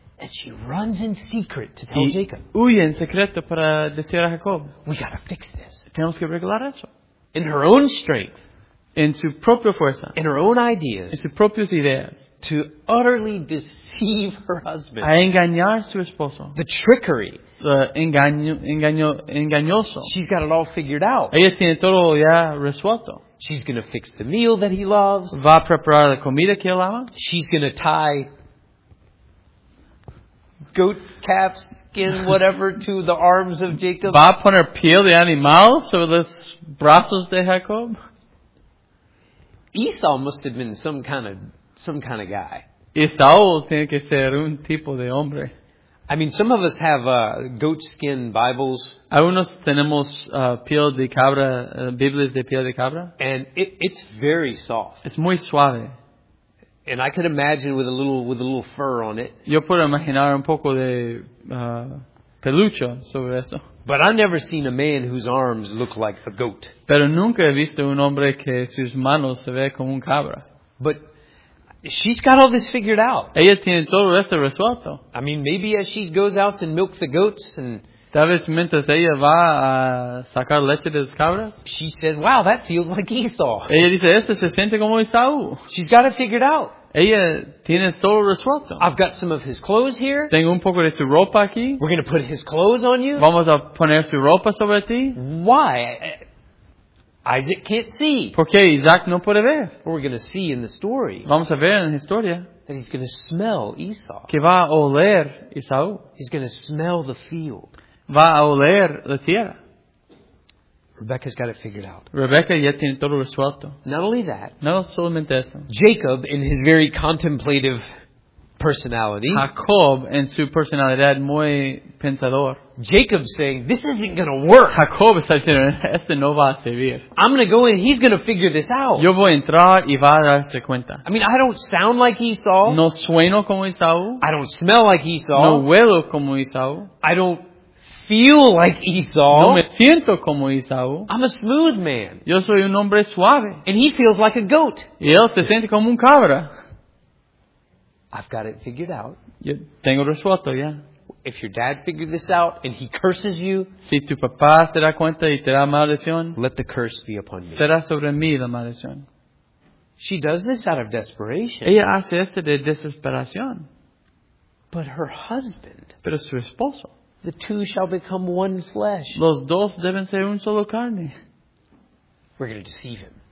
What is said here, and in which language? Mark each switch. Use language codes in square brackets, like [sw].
[en] And she runs in secret to tell Jacob. [es] Huye en secreto para decir a Jacob. [en] We gotta fix this. [es] Tenemos que arreglar eso. [en] In her own strength. [es] En su propia fuerza. [en] In her own ideas. [es] En sus propias ideas. [en] To utterly deceive her husband. [es] A engañar su esposo. [en] The trickery. [es] Engañoso. [en] She's got it all figured out. [es] Ella tiene todo ya resuelto. [en] She's gonna fix the meal that he loves. [es] Va a preparar la comida que él ama. [en] She's gonna tie goat calf skin whatever to the arms of Jacob. [es] Va a poner piel de animal sobre los brazos de Jacob. [en] Esau must have been some kind of guy. [es] Esau tiene que ser un tipo de hombre. [en] I mean, some of us have goat skin Bibles. [es] Algunos tenemos piel de cabra, Biblias de piel de cabra. [en] And it's very soft. [es] Es muy suave. [en] And I could imagine with a little fur on it. [es] Yo puedo imaginar un poco de peluche sobre eso. [en] But I've never seen a man whose arms look like a goat. [es] Pero nunca he visto un hombre que sus manos se ve como un cabra. [en] But she's got all this figured out. [es] Ella tiene todo esto resuelto. [en] I mean, maybe as she goes out and milks the goats and... [es] Tal vez mientras ella va a sacar leche de las cabras. [en] She says, wow, that feels like Esau. [es] Ella dice, esto se siente como Esau. [en] She's got it figured out. [es] Ella tiene todo resuelto. [en] I've got some of his clothes here. [es] Tengo un poco de su ropa aquí. [en] We're going to put his clothes on you. [es] Vamos a poner su ropa sobre ti. [en] Why? Isaac can't see. [es] Porque Isaac no puede ver. [en] Or we're going to see in the story. [es] Vamos a ver en la historia. [en] That he's going to smell Esau. [es] Que va a oler Esau. [en] He's going to smell the field. [es] Va a oler la tierra. [en] Rebecca's got it figured out. [es] Rebecca ya tiene todo resuelto. [en] Not only that. [es] No solamente eso. [en] Jacob, in his very contemplative personality. [es] Jacob, en su personalidad muy pensador. [en] Jacob's saying, this isn't going to work. [es] Jacob está diciendo, esto no va a servir. [en] I'm going to go in, he's going to figure this out. [es] Yo voy a entrar y va a darse cuenta. [en] I mean, I don't sound like Esau. [es] No sueno como Esau. [en] I don't smell like Esau. [es] No huelo como Esau. [en] I don't feel like Esau. [es] No me siento como Esau. [en] I'm a smooth man. [es] Yo soy un hombre suave. [en] And he feels like a goat. [es] Y él se siente como un cabra. [en] I've got it figured out. [es] Yo tengo resuelto ya. [en] If your dad figured this out and he curses you, [es] si tu papá se da cuenta y te da maldición, [en] let the curse be upon you. [es] Será sobre mí la maldición. [en] She does this out of desperation. [es] Ella hace esto de desesperación. [en] But her husband, [es] pero su esposo, [en] the two shall become one flesh. [es] Los dos deben ser un solo carne. [en] We're going to deceive him.